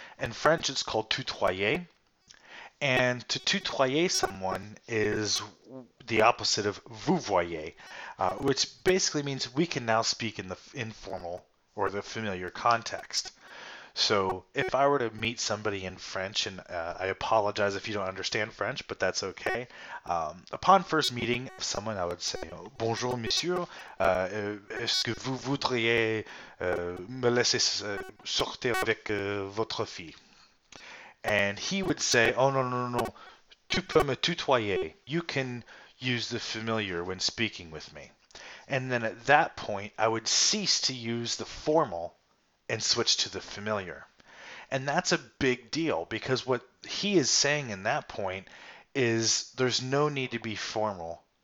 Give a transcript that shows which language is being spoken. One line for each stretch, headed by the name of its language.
English: In French, it's called tutoyer. And to tutoyer someone is the opposite of vouvoyer, which basically means we can now speak in the informal or the familiar context. So if I were to meet somebody in French, and I apologize if you don't understand French, but that's okay. Upon first meeting someone, I would say,
French: Bonjour, monsieur. Est-ce que vous voudriez me laisser sortir avec votre fille?
English: And he would say, Oh, no.
French: Tu peux me tutoyer.
English: You can use the familiar when speaking with me. And then at that point, I would cease to use the formal and switch to the familiar. And that's a big deal because what he is saying in that point is there's no need to be formal.